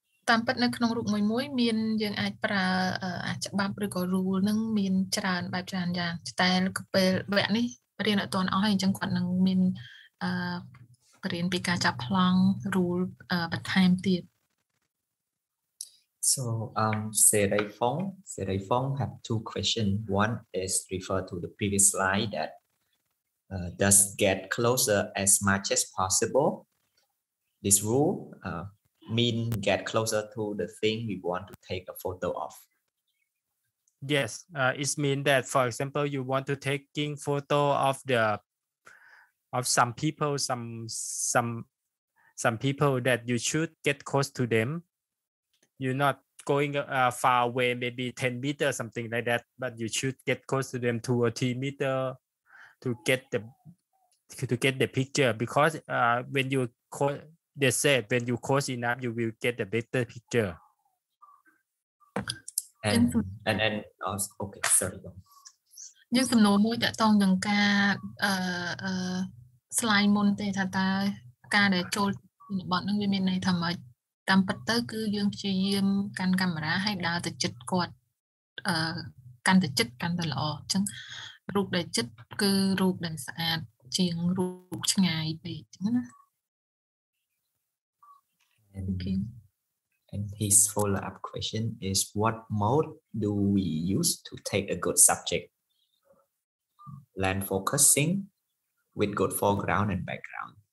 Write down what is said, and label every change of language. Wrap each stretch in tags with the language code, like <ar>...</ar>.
<km>តាមពិតនៅក្នុងរូបមួយមានយើងអាចប្រើអាច្បាប់ឬក៏ rule នឹងមានច្រើនបែបច្រើនយ៉ាងតែលកពេលវគ្គនេះបរិញ្ញាបត្រអត់អស់ហើយអញ្ចឹងគាត់នឹងមានបរិញ្ញាបត្រពីការចាប់ប្លង់ rule បន្ថែមទៀត</km> <en>So Sarai Fong have two question. One is refer to the previous slide that does get closer as much as possible. This rule mean get closer to the thing we want to take a photo of. Yes, it mean that for example you want to taking photo of the of some people some people that you should get close to them. You're not going far away, maybe 10 meters something like that, but you should get close to them 2 or 3 meter to get the picture, because when you call they said when you close enough you will get a better picture and also, okay sorry</en> <km>ខ្ញុំសំណួរមួយតតងនឹងការslide មុនទេថាតើការដែលចូលពីបត់នឹងវាមានន័យថាម៉េចតាមពិតទៅគឺយើងព្យាយាមកាន់កាមេរ៉ាឲ្យដើរទៅជិតគាត់កាន់ទៅជិតកាន់ទៅល្អអញ្ចឹងរូបដែលជិតគឺរូបដែលស្អាតជាងរូបឆ្ងាយពេកអញ្ចឹងណា</km> <en>And his follow-up question is, what mode do we use to take a good subject? Land focusing with good foreground and background.</en>